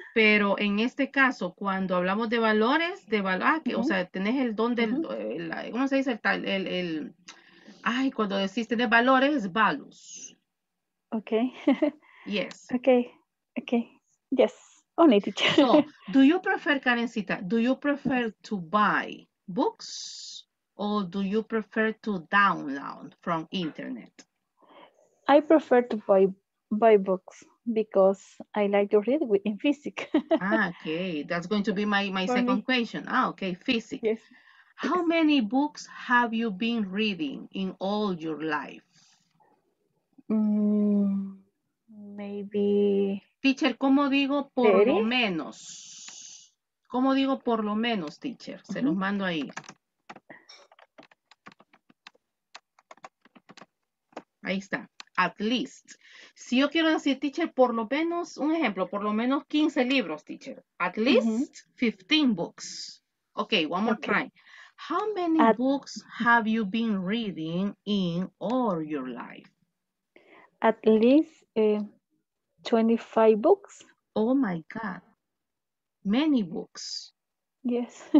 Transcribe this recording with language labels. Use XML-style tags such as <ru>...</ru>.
<es>Pero en este caso, cuando hablamos de valores, uh-huh. o sea, tenés el don del, uh-huh. ¿cómo se dice el tal? El ay, cuando decís tenés valores, es valus.</es> <en>Okay. Yes. Okay. Yes. Only teacher. So, do you prefer, Karencita, do you prefer to buy books or do you prefer to download from internet? I prefer to buy books because I like to read in physics. Okay, that's going to be my second question. Ah, okay, physics. Yes. How many books have you been reading in all your life? Maybe...</en> <es>Teacher, ¿cómo digo por lo menos? ¿Cómo digo por lo menos, teacher? Se los mando ahí. Ahí está.</es> <en>At least.</en> <es>Si yo quiero decir, teacher, por lo menos, un ejemplo, por lo menos 15 libros, teacher.</es> <en>At least 15 books. Okay, one more try. How many books have you been reading in all your life? At least... 25 books. Oh my God. Many books. Yes.</en>